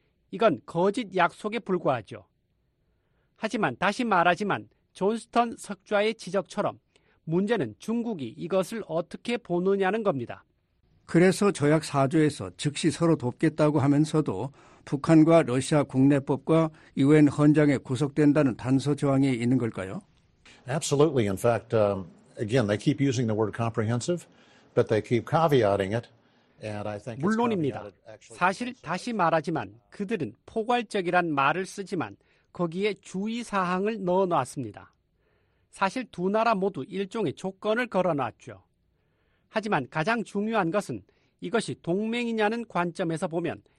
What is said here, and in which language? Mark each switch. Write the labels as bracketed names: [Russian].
[Korean] 이건 거짓 약속에 불과하죠. 하지만 다시 말하지만 존스턴 석좌의 지적처럼 문제는 중국이 이것을 어떻게 보느냐는 겁니다. 그래서 조약 4조에서 즉시 서로 돕겠다고 하면서도 북한과 러시아 국내법과 유엔 헌장에 구속된다는 단서 조항이 있는 걸까요? [English] Absolutely. In fact, again, they keep using the word comprehensive, but they keep caveating it. And I think [Korean] 물론입니다. 사실 다시 말하지만 그들은 포괄적이란 말을 쓰지만 거기에 주의 사항을 넣어 놨습니다. 사실 두 나라 모두 일종의 조건을 걸어놨죠. 하지만 가장 중요한 것은 이것이 동맹이냐는 관점에서 보면